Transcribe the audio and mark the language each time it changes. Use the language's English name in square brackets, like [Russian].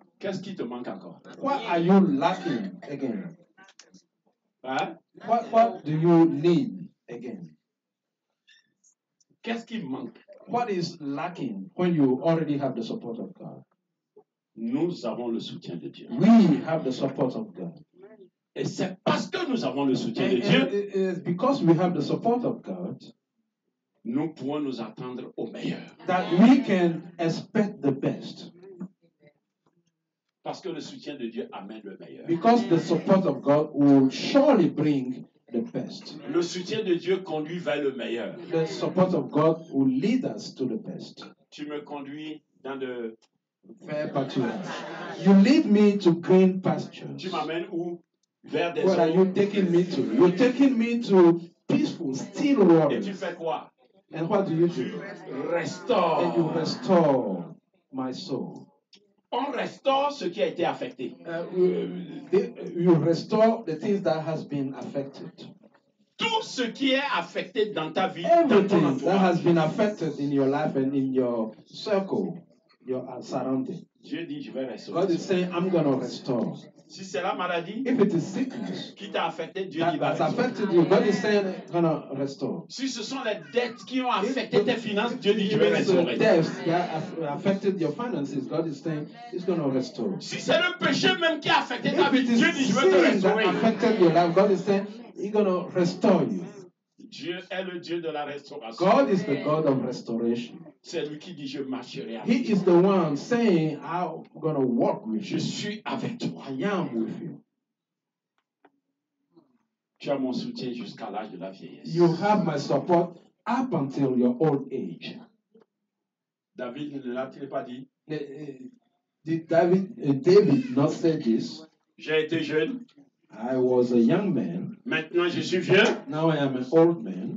[French] Qu'est-ce qui te manque encore? [English] What are you lacking again? Hein? What do you need again? [French] Qu'est-ce qui manque? [English] What is lacking when you already have the support of God? [French] Nous avons le soutien de Dieu. [English] We have the support of God. [French] Et c'est parce que nous avons le soutien de Dieu. [English] Because we have the support of God, [French] nous pouvons nous attendre au meilleur. [English] That we can expect the best. [French] Parce que le soutien de Dieu amène le meilleur. [English] Because the support of God will surely bring the best. [French] Le soutien de Dieu conduit vers le meilleur. [English] The support of God will lead us to the best. [French] Tu me conduis dans le [English] fair pasture. You lead me to green pastures. [French] Tu m'amènes où? [English] What are you taking me to? You're taking me to peaceful, still waters. [French] Et tu fais quoi? [English] And what do you do? Restore. And you restore my soul. [French] On restaure ce qui a été affecté. [English] You restore the things that has been affected. [French] Tout ce qui est affecté dans ta vie, [English] everything [French] dans ton entourage. [English] That has been affected in your life and in your circle, your surrounding. [French] Dieu dit, je vais restaurer. [English] God is saying, I'm going to restore. [French] Si c'est la maladie, [English] if it is sickness, [French] qui t'a affecté, Dieu [English] that [French] dit, va [English] has affected you, God is saying, I'm going to restore. [French] Si ce sont les dettes qui ont affecté tes finances, Dieu dit, [English] if [French] je vais restaurer. [English] The debts that affected your finances, God is saying, he's going to restore. [French] Si c'est le péché même qui a affecté [English] if [French] ta vie, Dieu dit, je vais te restaurer. [English] That affected your life, God is saying, he's going to restore you. [French] Dieu est le Dieu de la restauration. [English] God is the God of restoration. [French] C'est lui qui dit je marcherai avec [English] He [French] toi. [English] Is the one saying I'm going to walk with [French] je [English] you. [French] Je suis avec toi. [English] I am with you. [French] Tu as mon soutien jusqu'à l'âge de la vieillesse. [English] You have my support up until your old age. [French] David ne l'a-t-il pas dit? [English] Did David not say this? [French] J'ai été jeune. [English] I was a young man. [French] Maintenant, je suis vieux. [English] Now I am an old man.